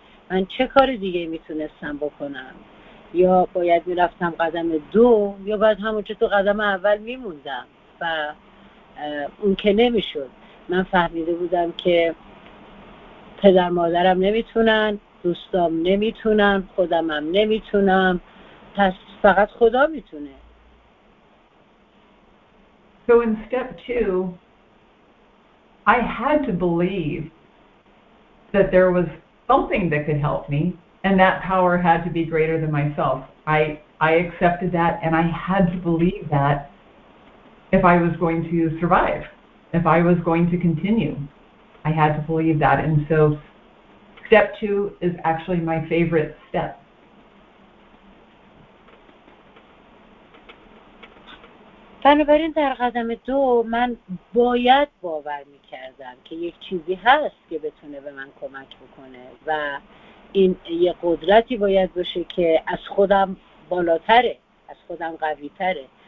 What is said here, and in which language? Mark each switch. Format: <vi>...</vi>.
<fa>من چه کار دیگه میتونستم بکنم؟ یا باید میرفتم قدم دو، یا باید همون چه تو قدم اول میموندم و اون که نمیشد. من فهمیده بودم که پدر مادرم نمیتونن، دوستام نمیتونن، خودمم نمیتونم، پس فقط خدا میتونه.</fa> <en>So in step two, I had to believe that there was something that could help me, and that power had to be greater than myself. I accepted that, and I had to believe that if I was going to survive, if I was going to continue, I had to believe that. And so step two is actually my favorite step.</en> <fa>بنابراین در قدم دو من باید باور میکردم که یک چیزی هست که بتونه به من کمک بکنه و این یه قدرتی باید باشه که از خودم بالاتره، از خودم قویتره.</fa>